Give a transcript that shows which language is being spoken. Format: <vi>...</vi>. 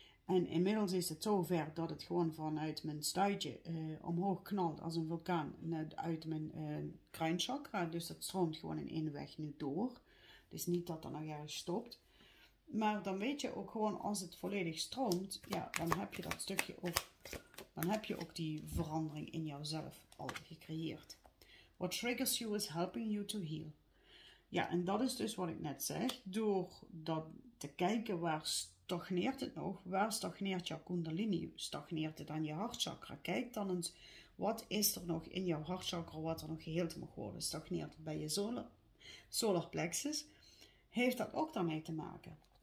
<nl>En inmiddels is het zover dat het gewoon vanuit mijn stuitje omhoog knalt als een vulkaan net uit mijn kruinchakra. Dus dat stroomt gewoon in één weg nu door. Dus niet dat er nog ergens stopt. Maar dan weet je ook gewoon als het volledig stroomt, ja, dan heb je dat stukje ook. Dan heb je ook die verandering in jouzelf al gecreëerd.</nl> <en>What triggers you is helping you to heal.</en> <nl>Ja, en dat is dus wat ik net zeg. Door dat te kijken waar stagneert het nog? Waar stagneert jouw kundalini? Stagneert het aan je hartchakra? Kijk dan eens, wat is er nog in jouw hartchakra wat er nog geheeld mag worden? Stagneert het bij je solar plexus? Heeft dat ook daarmee te maken?</nl>